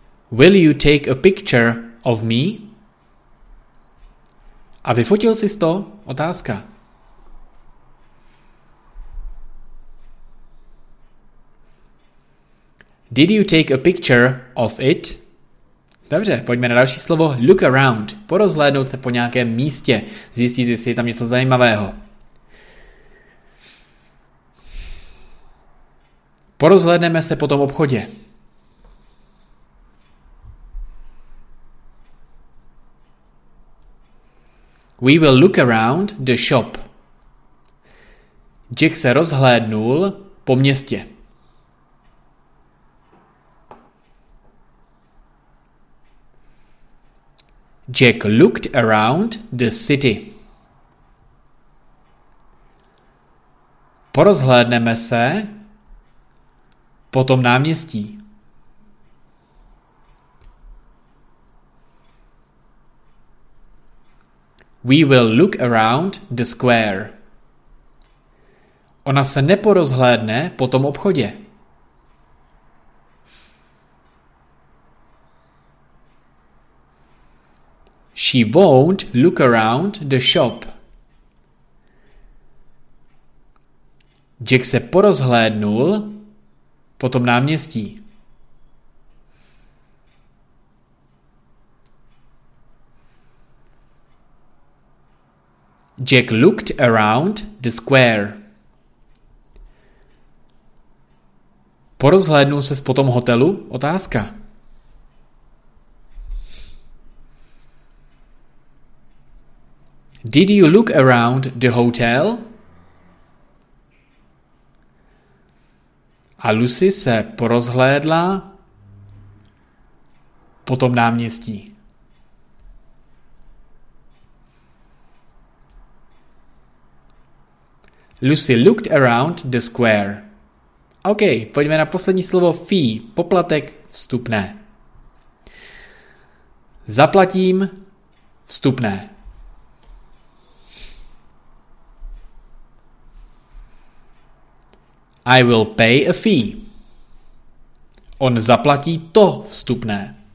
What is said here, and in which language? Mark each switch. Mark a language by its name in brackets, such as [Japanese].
[English] Will you take a picture of me? [Czech] A vyfotil jsi to? Otázka. [English] Did you take a picture of it? [Czech] Dobře, pojďme na další slovo. [English] Look around. [Czech] Porozhlédnout se po nějakém místě. Zjistit, jestli je tam něco zajímavého. Porozhlédneme se po tom obchodě. [English] We will look around the shop. [Czech] Jack se rozhlédnul po městě. [English] Jack looked around the city. [Czech] Porozhlédneme se po tom náměstí. [English] We will look around the square. [Czech] Ona se neporozhlédne po tom obchodě. [English] She won't look around the shop. [Czech] Jack se porozhlédnul po tom náměstí. [English] Jack looked around the square. [Czech] Porozhlédnul se po tom hotelu? Otázka. [English] Did you look around the hotel? [Czech] A Lucy se porozhlédla po tom náměstí. [English] Lucy looked around the square. [Czech] OK, pojďme na poslední slovo fee, poplatek, vstupné. Zaplatím vstupné. [English] I will pay a fee. [Czech] On zaplatí to vstupné.